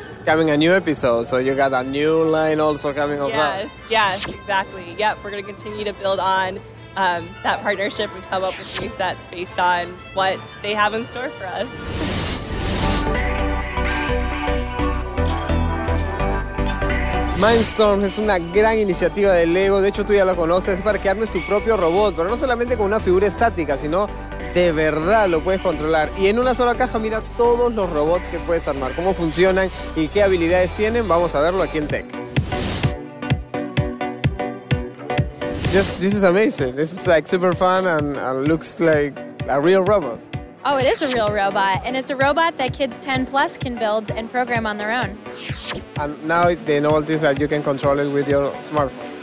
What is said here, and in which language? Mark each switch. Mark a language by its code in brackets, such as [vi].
[en] Coming a new episode, so you got a new line also coming up. Yes, exactly. Yep, we're going to continue to build on that partnership and come up with new sets based on what they have in store for us. [es] Mindstorm es una gran iniciativa de Lego, de hecho tú ya lo conoces, es para que armes tu propio robot, pero no solamente con una figura estática, sino de verdad lo puedes controlar. Y en una sola caja mira todos los robots que puedes armar, cómo funcionan y qué habilidades tienen, vamos a verlo aquí en TEC. [en] This is amazing, this is like super fun and looks like a real robot. Oh, it is a real robot, and it's a robot that kids 10 plus can build and program on their own. And now the novelty is that you can control it with your smartphone.